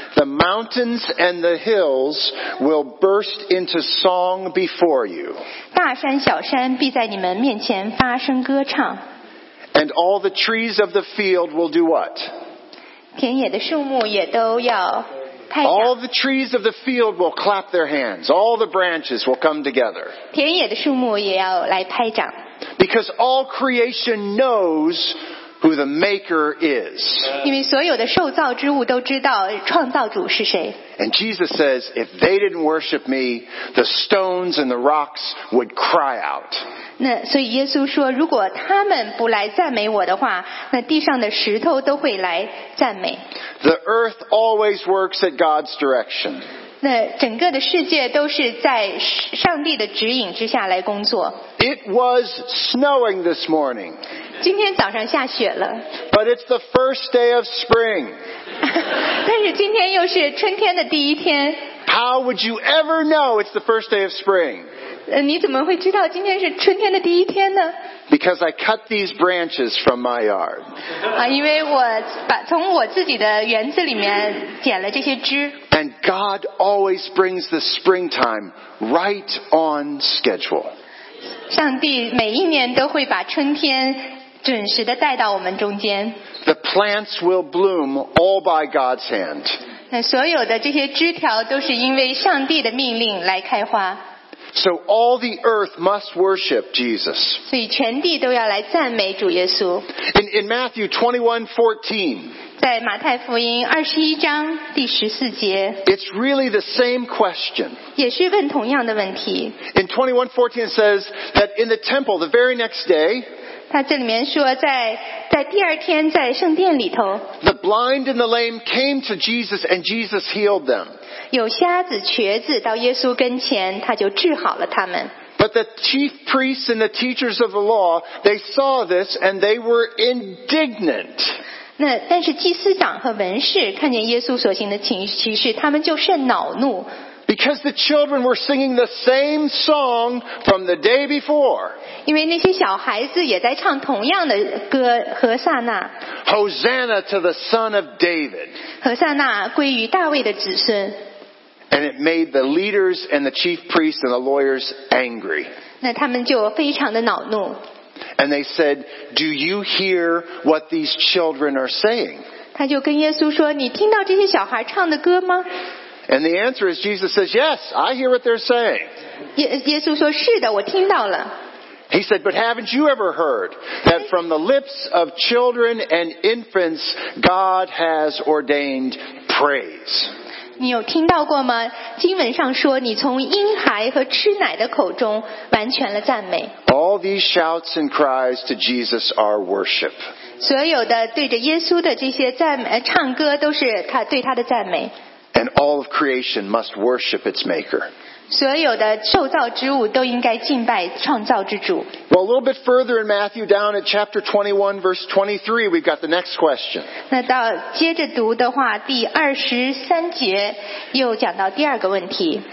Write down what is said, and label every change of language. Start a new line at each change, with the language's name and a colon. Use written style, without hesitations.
English: The mountains and the hills will burst into song before you.
Chinese: 大山小山必在你们面前发声歌唱
English: And all the trees of the field will do what?
Chinese: 田野的树木也都要拍掌
English: All the trees of the field will clap their hands. All the branches will come together.
Chinese: 田野的树木也要来拍掌
English: Because all creation knows who the Maker is.
Chinese: 因为所有的受造之物都知道创造主是谁。
English: And Jesus says, if they didn't worship me, the stones and the rocks would cry out.
Chinese: 那所以耶稣说，如果他们不来赞美我的话，那地上的石头都会来赞美。
English: The earth always works at God's direction.
Chinese: 那整个的世界都是在上帝的指引之下来工作。
English: It was snowing this morning.
Chinese: 今天早上下雪了。
English: But it's the first day of spring.
Chinese: 但是今天又是春天的第一天。
English: How would you ever know it's the first day of spring?
Chinese: 你怎么会知道今天是春天的第一天呢？
English: Because I cut these branches from my yard.
Chinese: 因为我把从我自己的园子里面剪了这些枝。
English: And God always brings the springtime right on schedule.
Chinese: 上帝每一年都会把春天准时地带到我们中间。
English: The plants will bloom all by God's hand.
Chinese: 那所有的这些枝条都是因为上帝的命令来开花。
English: So all the earth must worship Jesus.
Chinese: 所以全地都要来赞美主耶稣。
English: In Matthew 21:14,
Chinese: 在马太福音21章第14节，
English: It's really the same question.
Chinese: 也是问同样的问题。
English: In 21:14 it says that in the temple the very next day,
Chinese: 他这里面说在第二天在圣殿里头，
English: the blind and the lame came to Jesus and Jesus healed them.
Chinese: 有瞎子瘸子到耶稣跟前他就治好了他们。
English: But the chief priests and the teachers of the law, they saw this and they were indignant.
Chinese: 那但是祭司长和文士看见耶稣所行的奇事他们就甚恼怒。
English: Because the children were singing the same song from the day before.
Chinese: 因为那些小孩子也在唱同样的歌，何撒那。
English: Hosanna to the son of David.
Chinese: 何撒那归于大卫的子孙。
English: And it made the leaders and the chief priests and the lawyers angry.
Chinese: 那他们就非常的恼怒。
English: And they said, "Do you hear what these children are saying?"
Chinese: 他就跟耶稣说，你听到这些小孩唱的歌吗？
English: And the answer is, Jesus says, yes, I hear what they're saying.
Chinese: 耶稣说是的，我听到了。
English: He said, but haven't you ever heard that from the lips of children and infants, God has ordained praise?
Chinese: 你有听到过吗？经文上说，你从婴孩和吃奶的口中完全了赞美。
English: All these shouts and cries to Jesus are worship.
Chinese: 所有的对着耶稣的这些赞美唱歌都是他对他的赞美。
English: And all of creation must worship its maker.
Chinese: 所有的受造之物都应该敬拜创造之主。
English: Well, a little bit further in Matthew, down at chapter 21, verse 23, we've got the next question.
Chinese: 那到接着读的话，第23节又讲到第二个问题。